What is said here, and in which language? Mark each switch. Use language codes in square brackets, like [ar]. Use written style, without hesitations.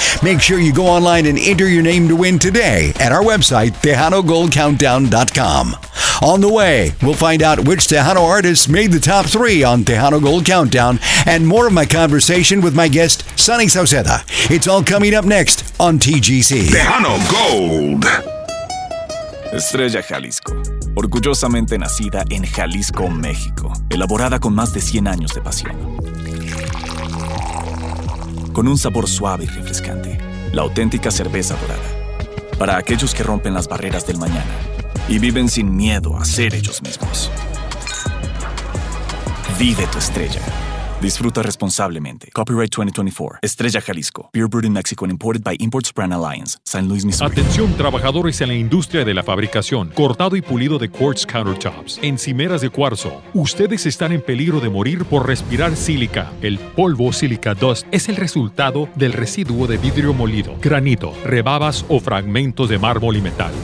[en] Make sure you go online and enter your name to win today at our website, TejanoGoldCountdown.com. On the way, we'll find out which Tejano artists made the top three on Tejano Gold Countdown and more of my conversation with my guest, Sonny Sauceda. It's all coming up next on TGC. Tejano Gold. [es] Estrella Jalisco, orgullosamente nacida en Jalisco, México, elaborada con más de 100 años de pasión. Con un sabor suave y refrescante, la auténtica cerveza dorada. Para aquellos que rompen las barreras del mañana y viven sin miedo a ser ellos mismos. Vive tu estrella. Disfruta responsablemente. Copyright 2024. Estrella Jalisco. [en] Beer brewed in Mexico and imported by Imports Brand Alliance. [es] San Luis, Missouri. Atención, trabajadores en la industria de la fabricación. Cortado y pulido de [en] quartz countertops. [es] Encimeras de cuarzo. Ustedes están en peligro de morir por respirar sílica. El polvo sílica dust es el resultado del residuo de vidrio molido, granito, rebabas o fragmentos de mármol y metal.